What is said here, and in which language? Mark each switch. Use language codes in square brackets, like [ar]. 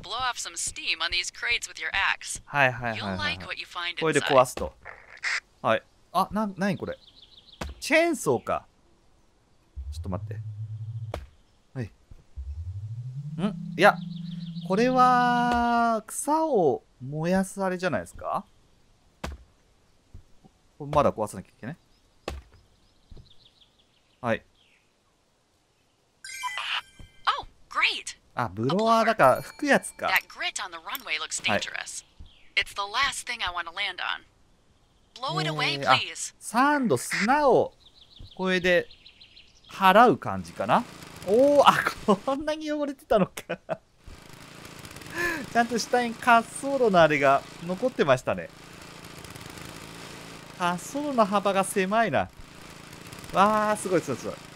[en] off some steam on these crates with your axe. [ja] はいはいはいはい、はい、これで壊すと。はい。あ、な、なにこれ。チェーンソーか。ちょっと待って。はい。ん？いや、これは草を燃やすあれじゃないですか？まだ壊さなきゃいけない。はい。 [en] Oh, great. [ja] あ、ブロワーだから吹くやつか。 [en] That grit on the runway looks dangerous. It's the last thing I want to land on. Blow it away, please. [ja] サンド、砂をこれで払う感じかな。おお、あ、こんなに汚れてたのか。ちゃんと下に滑走路のあれが残ってましたね。滑走路の幅が狭いな。わあ、すごいすごいすごい。